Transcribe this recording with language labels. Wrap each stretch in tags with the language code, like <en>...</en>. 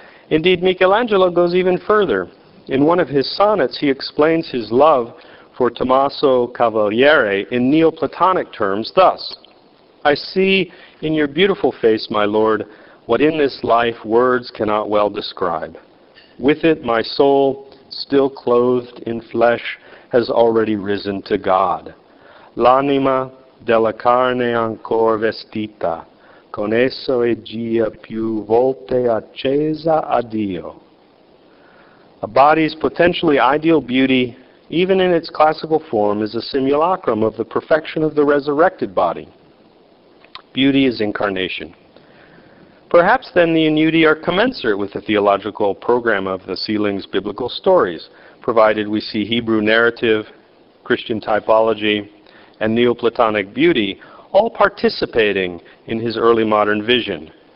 <en>Indeed, Michelangelo goes even further. In one of his sonnets, he explains his love for Tommaso Cavaliere in Neoplatonic terms thus, "I see in your beautiful face, my lord, what in this life words cannot well describe. With it, my soul, still clothed in flesh, has already risen to God.</en> <it>L'anima della carne ancor vestita. Con esso e gia più volte accesa a Dio."</it> <en>A body's potentially ideal beauty even in its classical form, is a simulacrum of the perfection of the resurrected body. Beauty is incarnation. Perhaps then the Ennudi are commensurate with the theological program of the Sistine's biblical stories, provided we see Hebrew narrative, Christian typology, and Neoplatonic beauty all participating in his early modern vision.</en>